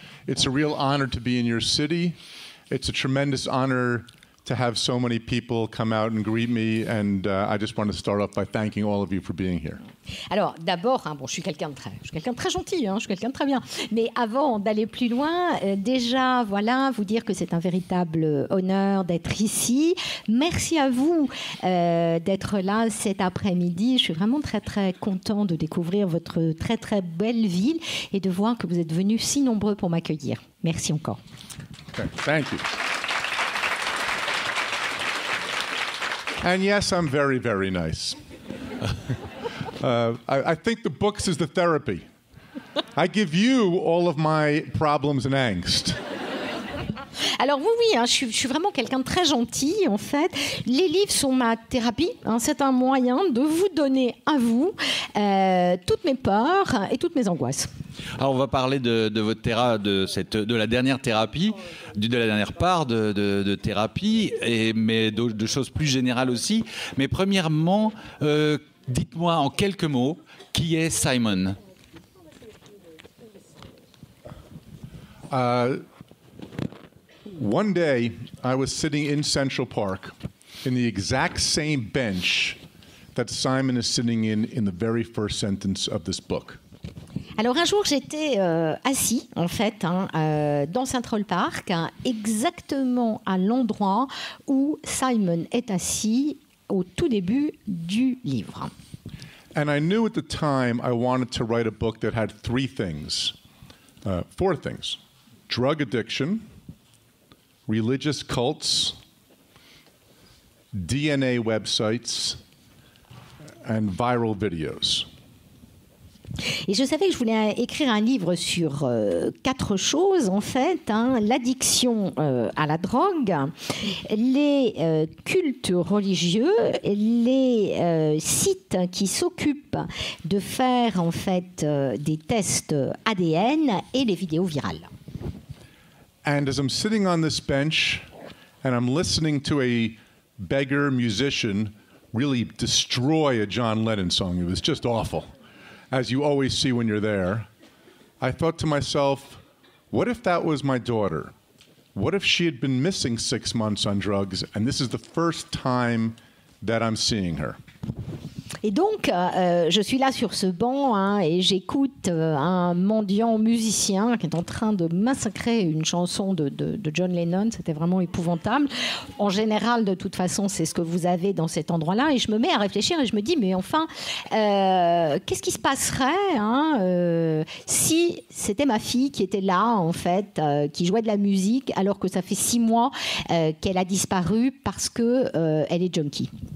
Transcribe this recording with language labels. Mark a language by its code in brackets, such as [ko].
[en] It's a real honor to be in your city. It's a tremendous honor to have so many people come out and greet me, and I just want to start off by thanking all of you for being here. [fr] Alors, d'abord, hein, bon, je suis quelqu'un de très gentil, hein, je suis quelqu'un de très bien. Mais avant d'aller plus loin, déjà, voilà, vous dire que c'est un véritable honneur d'être ici. Merci à vous d'être là cet après-midi. Je suis vraiment très, très content de découvrir votre très, très belle ville et de voir que vous êtes venus si nombreux pour m'accueillir. Merci encore. [en] Thank you. And yes, I'm very, very nice. I think the books is the therapy. I give you all of my problems and angst. [fr] Alors vous, oui, hein, je suis vraiment quelqu'un de très gentil, en fait. Les livres sont ma thérapie. Hein, c'est un moyen de vous donner à vous toutes mes peurs et toutes mes angoisses. Alors on va parler de votre thérapie, de la dernière thérapie, de la dernière part de thérapie, mais de choses plus générales aussi. Mais premièrement, dites-moi en quelques mots, qui est Simon? [en] One day, I was sitting in Central Park in the exact same bench that Simon is sitting in the very first sentence of this book. [fr] Alors un jour, j'étais assis, en fait, hein, dans Central Park, hein, exactement à l'endroit où Simon est assis au tout début du livre. [en] And I knew at the time I wanted to write a book that had three things, four things, drug addiction, religious cults, DNA websites, and viral videos. [fr] Et je savais que je voulais écrire un livre sur quatre choses, en fait, hein, l'addiction à la drogue, les cultes religieux, les sites qui s'occupent de faire, en fait, des tests ADN et les vidéos virales. [en] And as I'm sitting on this bench and I'm listening to a beggar musician really destroy a John Lennon song, it was just awful, as you always see when you're there, I thought to myself, what if that was my daughter? What if she had been missing 6 months on drugs and this is the first time that I'm seeing her? [fr] Et donc, je suis là sur ce banc, hein, et j'écoute un mendiant musicien qui est en train de massacrer une chanson de John Lennon. C'était vraiment épouvantable. En général, de toute façon, c'est ce que vous avez dans cet endroit-là. Et je me mets à réfléchir et je me dis, mais enfin, qu'est-ce qui se passerait, hein, si c'était ma fille qui était là, en fait, qui jouait de la musique, alors que ça fait 6 mois qu'elle a disparu parce qu'elle est junkie.